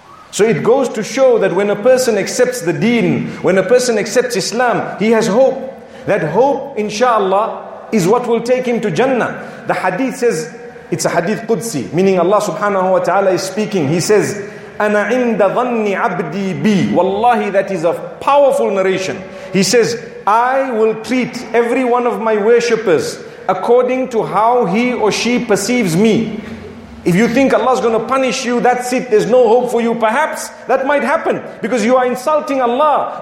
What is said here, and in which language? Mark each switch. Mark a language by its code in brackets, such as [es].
[en] So it goes to show that when a person accepts the deen, when a person accepts Islam, he has hope. That hope, inshallah, is what will take him to Jannah. The hadith says, it's a hadith Qudsi, meaning Allah subhanahu wa ta'ala is speaking. He says, [ar] أَنَا عِنْدَ ظَنِّ عَبْدِي بِي. [en] Wallahi, that is a powerful narration. He says, I will treat every one of my worshippers according to how he or she perceives me. If you think Allah's going to punish you, that's it. There's no hope for you. Perhaps that might happen because you are insulting Allah.